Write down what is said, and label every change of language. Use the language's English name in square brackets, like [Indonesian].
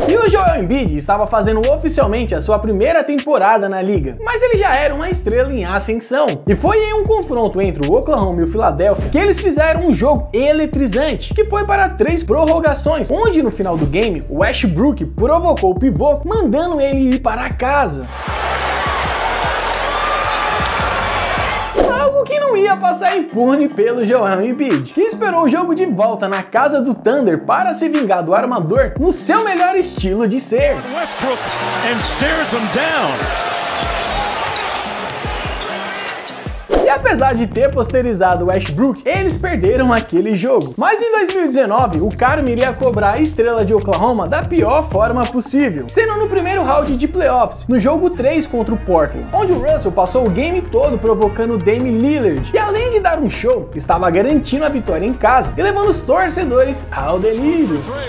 [Portuguese] E o Joel Embiid estava fazendo oficialmente a sua primeira temporada na liga, mas ele já era uma estrela em ascensão, e foi em um confronto entre o Oklahoma e o Philadelphia que eles fizeram um jogo eletrizante, que foi para 3 prorrogações, onde no final do game, o Westbrook provocou o pivô, mandando ele ir para casa. Ia passar impune pelo Joel Embiid, que esperou o jogo de volta na casa do Thunder para se vingar do armador no seu melhor estilo de ser. [English] Westbrook and stares him down. [Portuguese] E apesar de ter posterizado o Westbrook, eles perderam aquele jogo. Mas em 2019, o karma iria cobrar a estrela de Oklahoma da pior forma possível, sendo no primeiro round de playoffs, no jogo 3 contra o Portland, onde o Russell passou o game todo provocando Damian Lillard, e além de dar um show, estava garantindo a vitória em casa e levando os torcedores ao delírio.